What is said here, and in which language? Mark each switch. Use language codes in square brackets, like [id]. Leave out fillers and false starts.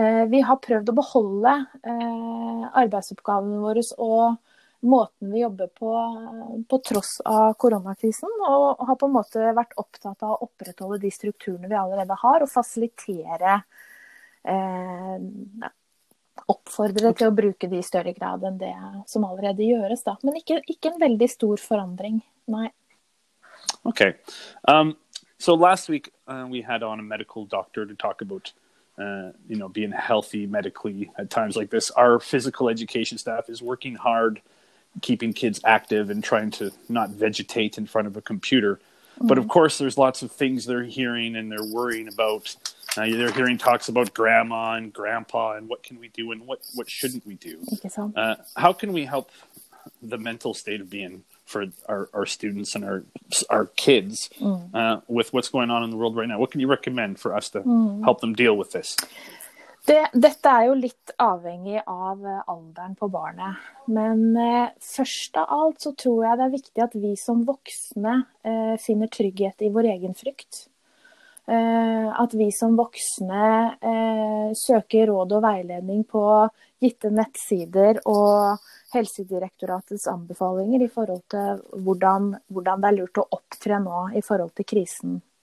[no] Vi har prøvd å beholde arbeidsoppgavene våre og måten vi jobber på tross av koronakrisen og har på en måte vært opptatt av å opprettholde de strukturene vi allerede har og fasilitere oppfordre til å bruke de i større grad enn det som allerede gjøres da. Men ikke en veldig stor forandring, nei. [en] Okay. So last week we had on a medical doctor to talk about being healthy medically at times like this. Our physical education staff is working hard keeping kids active and trying to not vegetate in front of a computer. But of course, there's lots of things they're hearing and they're worrying about. They're hearing talks about grandma and grandpa and what can we do and what shouldn't we do? How can we help the mental state of being for our students and our kids with what's going on in the world right now? What can you recommend for us to help them deal with this? [no] Dette jo litt avhengig av alderen på barnet, men først av alt så tror jeg det viktig at vi som voksne finner trygghet i vår egen frykt. At vi som voksne søker råd og veiledning på gitte nettsider og helsedirektoratets anbefalinger i forhold til hvordan det lurt å opptre nå i forhold til krisen.